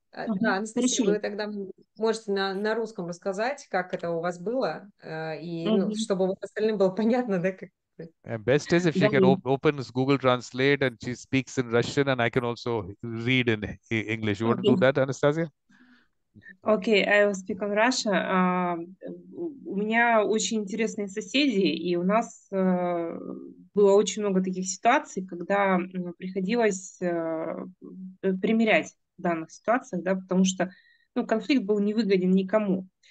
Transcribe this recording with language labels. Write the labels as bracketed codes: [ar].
[ru] Да, Анастасия, вы тогда можете на русском рассказать, как это у вас было, и ну, чтобы остальным было понятно, да, как [en] And best is if [ru] да. [en] she can op opens Google Translate and she speaks in Russian, and I can also read in English. You want to do Okay. that, Anastasia? [ru] Окей, я говорю на русском. У меня очень интересные соседи, и у нас было очень много таких ситуаций, когда приходилось примирять в данных ситуациях, да, потому что ну, конфликт был невыгоден никому.